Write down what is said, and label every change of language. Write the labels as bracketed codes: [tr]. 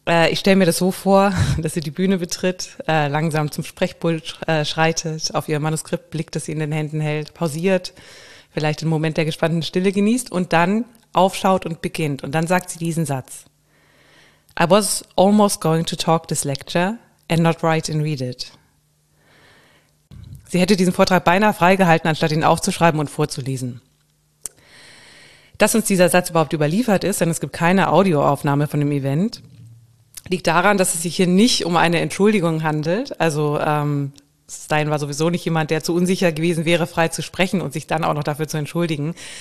[de] Ich stelle mir das so vor, dass sie die Bühne betritt, langsam zum Sprechpult schreitet, auf ihr Manuskript blickt, das sie in den Händen hält, pausiert, vielleicht den Moment der gespannten Stille genießt und dann aufschaut und beginnt. Und dann sagt sie diesen Satz. [en] I was almost going to talk this lecture and not write and read it. [de] Sie hätte diesen Vortrag beinahe freigehalten, anstatt ihn aufzuschreiben und vorzulesen. Dass uns dieser Satz überhaupt überliefert ist, denn es gibt keine Audioaufnahme von dem Event, liegt daran, dass es sich hier nicht um eine Entschuldigung handelt. Also Stein war sowieso nicht jemand, der zu unsicher gewesen wäre, frei zu sprechen und sich dann auch noch dafür zu entschuldigen.